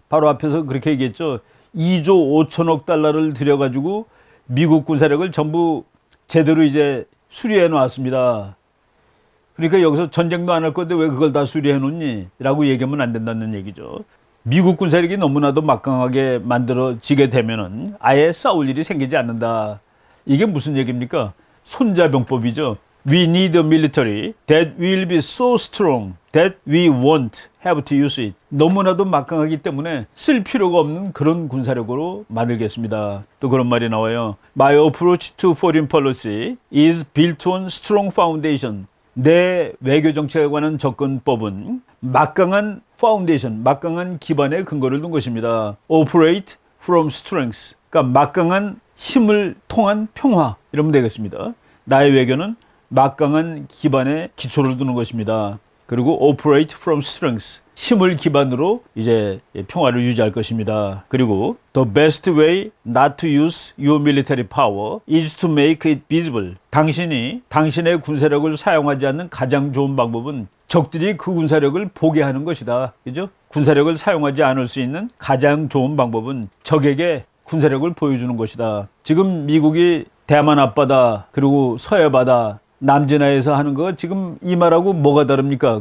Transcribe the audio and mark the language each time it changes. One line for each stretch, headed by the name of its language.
Korean: 바로 앞에서 그렇게 얘기했죠. 2조 5천억 달러를 들여가지고 미국 군사력을 전부 제대로 이제 수리해 놓았습니다. 그러니까 여기서 전쟁도 안할 건데 왜 그걸 다 수리해 놓니? 라고 얘기하면 안 된다는 얘기죠. 미국 군사력이 너무나도 막강하게 만들어지게 되면은 아예 싸울 일이 생기지 않는다. 이게 무슨 얘기입니까? 손자병법이죠.
English: We need a military that will be so strong that we won't have to use it.
Korean: 너무나도 막강하기 때문에 쓸 필요가 없는 그런 군사력으로 만들겠습니다. 또 그런 말이 나와요.
English: My approach to foreign policy is built on strong foundation.
Korean: 내 외교 정책에 관한 접근법은 막강한 foundation, 막강한 기반에 근거를 둔 것입니다.
English: Operate from strength.
Korean: 그러니까 막강한 힘을 통한 평화. 이러면 되겠습니다. 나의 외교는 막강한 기반에 기초를 두는 것입니다. 그리고 operate from strength. 힘을 기반으로 이제 평화를 유지할 것입니다.
English: 그리고 the best way not to use your military power is to make it visible.
Korean: 당신의 군사력을 사용하지 않는 가장 좋은 방법은 적들이 그 군사력을 보게 하는 것이다. 그죠? 군사력을 사용하지 않을 수 있는 가장 좋은 방법은 적에게 군사력을 보여주는 것이다. 지금 미국이 대만 앞바다, 그리고 서해 바다, 남진해에서 하는 거 지금 이 말하고 뭐가 다릅니까?